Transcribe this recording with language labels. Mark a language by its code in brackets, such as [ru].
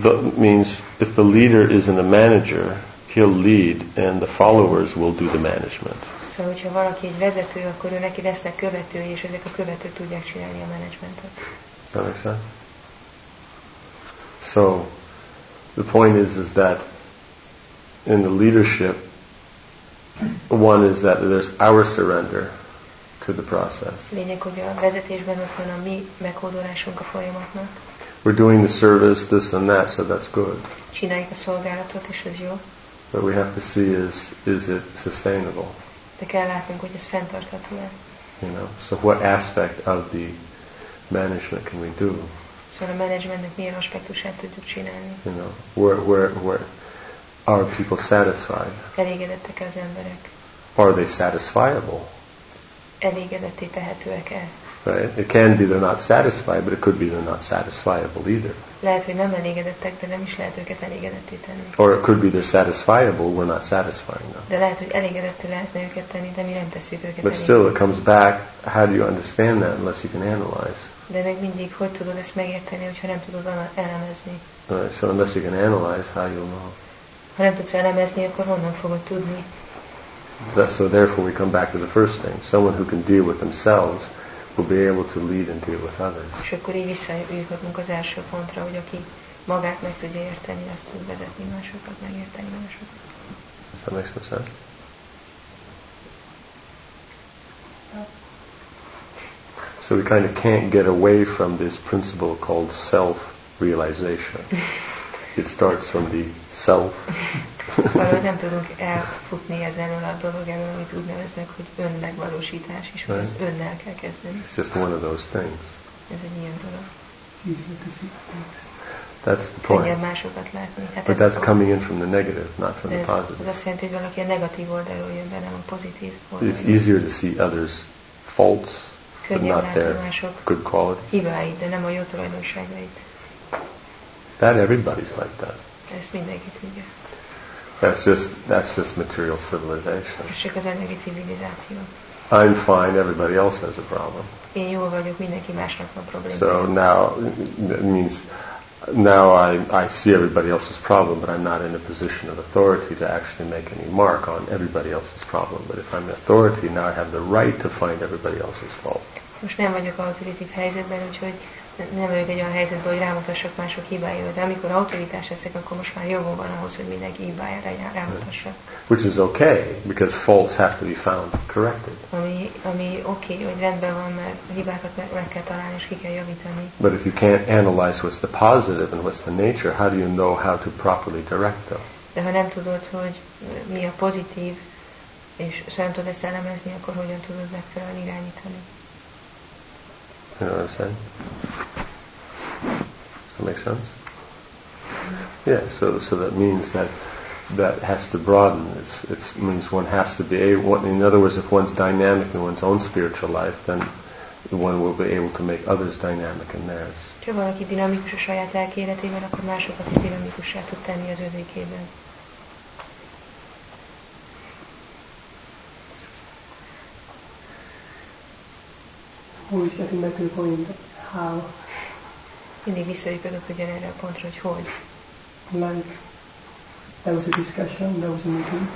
[en] That means if the leader isn't a manager, he'll lead and the followers will do the management. [hu] Szóval, hogyha valaki egy vezető, akkor ő neki lesznek követői, és ezek a követők tudják csinálni a managementet. [en] Does that make sense? So the point is that in the leadership, one is that there's our surrender to the process. [hu] Lényeg, hogy a vezetésben ott van a mi meghódolásunk a folyamatnak. [en] We're doing the service, this and that, so that's good. [hu] Csináljuk a szolgálatot, és ez jó. [en] But we have to see is it sustainable? [hu] De kell látnunk, hogy ez fenntartható-e. [en] You know, so what aspect of the management can we do? [hu] Szóval a managementnek milyen aspektusát tudjuk csinálni? [en] You know, where are people satisfied? [hu] Elégedettek az emberek? [en] Are they satisfiable? [hu] Elégedetté tehetőek-e? [en] Right. It can be they're not satisfied, but it could be they're not satisfiable either. [hu] Lehet, hogy nem elégedettek, de nem is lehet őket elégedetté tenni. [en] Or it could be they're satisfiable, we're not satisfying them. [hu] De lehet, hogy elégedetté lehetne őket tenni, de mi nem tesszük őket elégedetté. [en] But still, it comes back. How do you understand that unless you can analyze? [hu] De még mindig, hogy tudod ezt megérteni, hogyha nem tudod elemezni? [en] Right. So unless you can analyze, how you'll know? [hu] Ha nem tudsz elemezni, akkor honnan fogod tudni? [en] So therefore, we come back to the first thing: someone who can deal with themselves will be able to lead and deal with others. [hu] És akkor így visszajöhetünk az első pontra, hogy aki magát meg tudja érteni, azt tud vezetni másokat, megérteni másokat. [en] Does that make some sense? So we kind of can't get away from this principle called self-realization. It starts from the self. [hu] Valahogy nem tudunk elfutni ezen a dolog elől, amit úgy neveznek, hogy önmegvalósítás, és hogy az önnel kell kezdeni. [en] It's just one of those things. [hu] Ez egy ilyen dolog. [en] That's the point. [hu] Könnyebb másokat látni. [en] Hát but that's coming in from the negative, not from the positive. [hu] Ez azt jelenti, hogy valaki a negatív oldalról jön, de nem a pozitív oldalról. [en] It's easier to see others' faults, but not their good qualities. [hu] Könnyebb látni mások hibáit, de nem a jó tulajdonságait. [en] That everybody's like that. [hu] Ez mindenki tudja. [en] That's just material civilization. [hu] Ez csak az anyagi civilizáció. [en] I'm fine, everybody else has a problem. [hu] Én jól vagyok, mindenki másnak van probléma. [en] So now that means now I see everybody else's problem, but I'm not in a position of authority to actually make any mark on everybody else's problem. But if I'm authority, now I have the right to find everybody else's fault. [hu] Most nem vagyok autoritív helyzetben, úgyhogy nem vagyok egy olyan helyzetben, hogy rámutassak mások hibáira, de amikor autoritás leszek, akkor most már jogom van ahhoz, hogy mindenki hibájára rámutassak. [en] Which is okay, because faults have to be found corrected. [hu] Ami okay, hogy rendben van, mert hibákat meg kell találni, és ki kell javítani. [en] But if you can't analyze what's the positive and what's the nature, how do you know how to properly direct them? [hu] De ha nem tudod, hogy mi a pozitív, és sem tudod ezt elemezni, akkor hogyan tudod megfelelően irányítani? [en] You know what I'm saying? Does that make sense? Yeah, so that means that has to broaden. It means one has to be able, in other words, if one's dynamic in one's own spiritual life, then one will be able to make others dynamic in theirs. [hu] Ha valaki dinamikus a saját lelki életében, akkor másokat is dinamikussá tud tenni az övékében. [en] Always getting back to the point that how. [hu] Mindig visszajöjjük ugyanerre a pontra, hogy hogy. [en] Like, there was a discussion, there was a meeting.